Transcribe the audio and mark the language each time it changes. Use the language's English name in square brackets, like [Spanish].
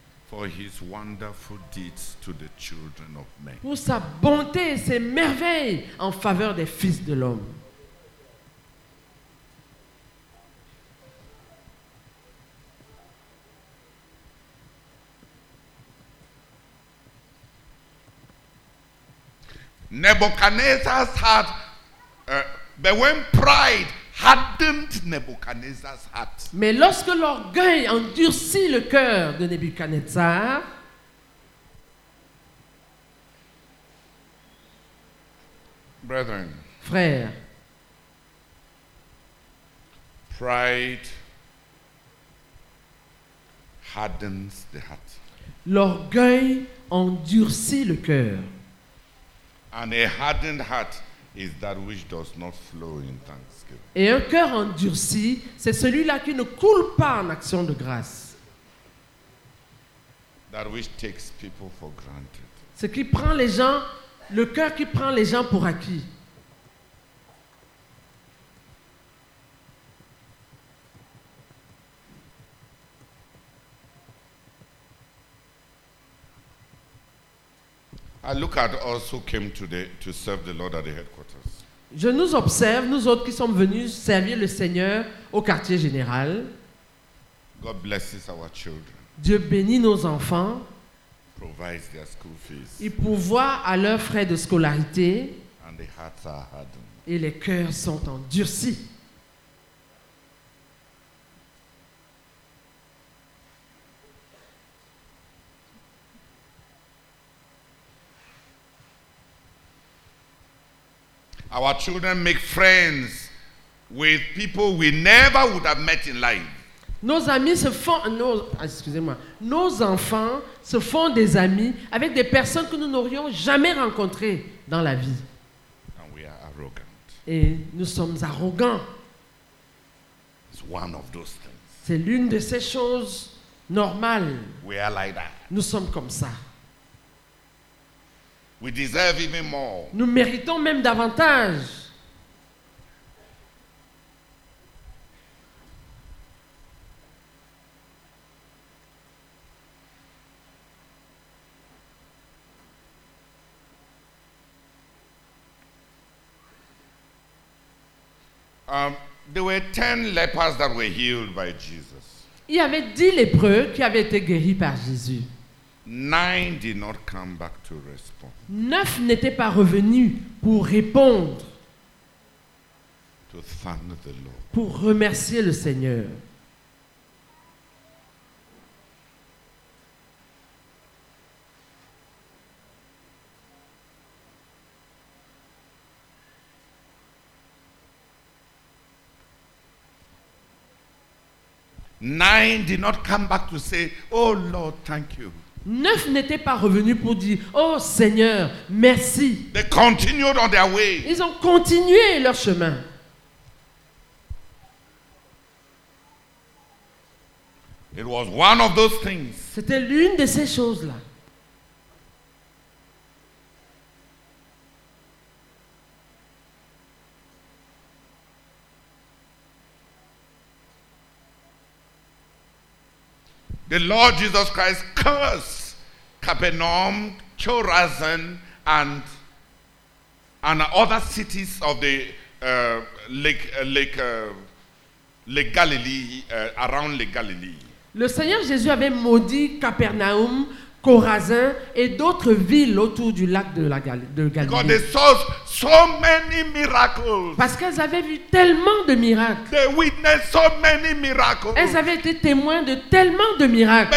[English] For his wonderful deeds to the children of men. [French] Pour sa bonté et ses merveilles en faveur des fils de l'homme. [English] Nebuchadnezzar's heart, but when pride hardened Nebuchadnezzar's heart. [French] Mais lorsque l'orgueil endurcit le cœur de Nebuchadnezzar, [English] brethren, [French] frère, [English] pride hardens the heart. [French] L'orgueil endurcit le cœur. [English] And a hardened heart is that which does not flow in thanksgiving. [French] Et un cœur endurci, c'est celui-là qui ne coule pas en action de grâce. [English] That which takes people for granted. [French] Ce qui prend les gens, le cœur qui prend les gens pour acquis. [English] I look at us who came today to serve the Lord at the headquarters. [French] Je nous observe, nous autres qui sommes venus servir le Seigneur au quartier général. [English] God blesses our children. [French] Dieu bénit nos enfants. [English] Provides their school fees. [French] Il pourvoit à leurs frais de scolarité. [English] And the hearts are hardened. [French] Et les cœurs sont endurcis. [English] Our children make friends with people we never would have met in life. [French] Nos amis se font, nos enfants se font des amis avec des personnes que nous n'aurions jamais rencontrées dans la vie. [English] And we are arrogant. [French] Et nous sommes arrogants. [English] It's one of those things. [French] C'est l'une de ces choses normales. [English] We are like that. [French] Nous sommes comme ça. [English] We deserve even more. [French] Nous méritons même davantage. [English] There were 10 lepers that were healed by Jesus. [French] Il y avait 10 lépreux qui avaient été guéris par Jésus. [English] 9 did not come back to respond. [French] 9 n'étaient pas revenus pour répondre. [English] to thank the Lord. [French] Pour remercier le Seigneur. [English] Nine did not come back to say, "Oh Lord, thank you." [French] Neuf n'étaient pas revenus pour dire, "Oh Seigneur, merci." [English] They continued on their way. [French] Ils ont continué leur chemin. [English] It was one of those things. [French] C'était l'une de ces choses-là. [English] The Lord Jesus Christ cursed Capernaum, Chorazin, and other cities of the around Lake Galilee. [French] Le Seigneur Jésus avait maudit Capernaum, Chorazin et d'autres villes autour du lac de la Galilée. [English] God, they saw so many miracles. [French] Parce qu'elles avaient vu tellement de miracles. [English] They witnessed so many miracles. [French] Elles avaient été témoins de tellement de miracles.